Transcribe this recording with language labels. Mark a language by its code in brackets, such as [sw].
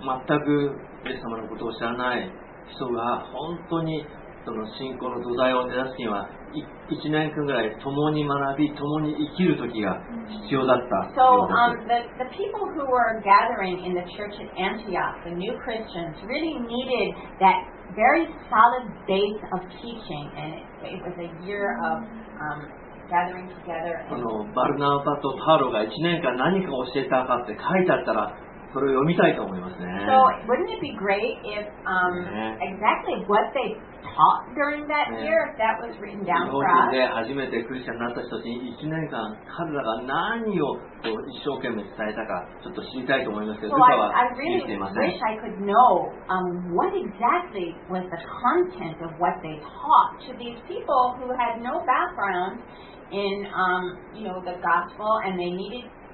[ja] 全くイエス様のことを知らない人が本当にその信仰の土台を目指すには1年間ぐらい共に学び共に生きる時が必要だった。 [en] So, the people who were gathering in the church at Antioch, the new Christians, really needed that very solid base of teaching, and it was a year of gathering together. [ja] あのバルナバとパウロが1年間何かを教えたかって書いてあったら。それを読みたいと思いますね。 [en] So, wouldn't it be great if, exactly what they taught during that year, if that was written down for us? [ja] 日本人で初めてクリスチャンになった人たちに1年間彼らが何をこう一生懸命伝えたかちょっと知りたいと思いますけど、ルカは言っていません。 [en] So, I really wish I could know, what exactly was the content of what they taught to these people who had no background in, you know, the gospel and they needed.